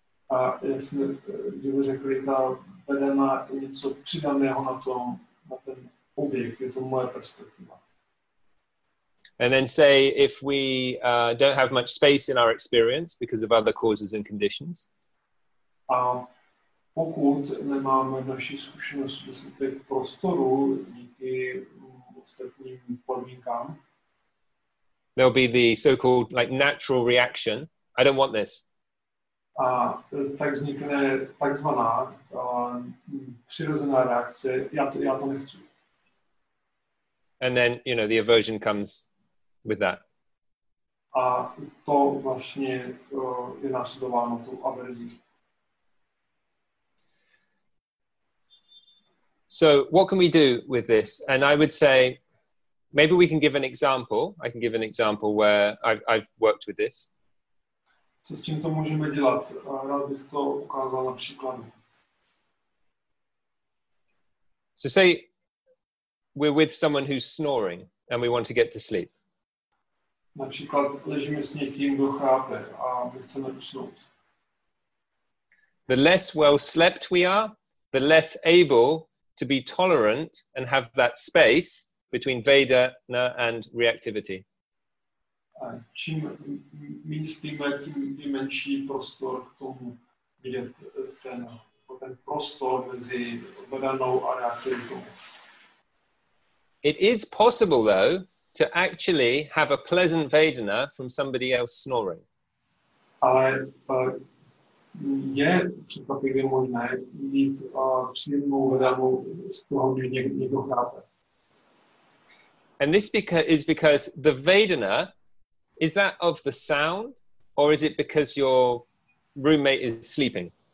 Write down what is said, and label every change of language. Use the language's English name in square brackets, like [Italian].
[Czech] A jsme řekli, ta vedena je něco přidaného na tom, na ten objekt, je to moje perspektiva. [English] And then say, if we don't have much space in our experience because of other causes and conditions. A pokud nemáme naši zkušenost dostatek prostoru díky ostatním podmínkám, there'll be the so-called like natural reaction. I don't want this. [Czech] A tak vznikne takzvaná přirozená reakce, já to nechci. [English] And then, you know, the aversion comes with that. [Czech] A to vlastně je následováno tu averzí. [English] So, what can we do with this? And I would say, maybe we can give an example. I can give an example where I've worked with this. [Czech] Co s tímto můžeme dělat? Rád bych to ukázal na příkladu. [English] So say we're with someone who's snoring and we want to get to sleep. [Czech] Například ležíme s někým, kdo chrápe a my chceme usnout. [English] The less well slept we are, the less able to be tolerant and have that space between vedana and reactivity. [Czech] Čím my spíme, tím je menší prostor k tomu vidět ten ten prostor mezi vedenou a reaktivitou. [English] It is possible, though, to actually have a pleasant vedana from somebody else snoring. [Czech] Ale je překvapivě možné mít příjemnou vedanu z toho, kdy někdo chrápe. [English] And this is because the vedana, is that of the sound, or is it because your roommate is sleeping?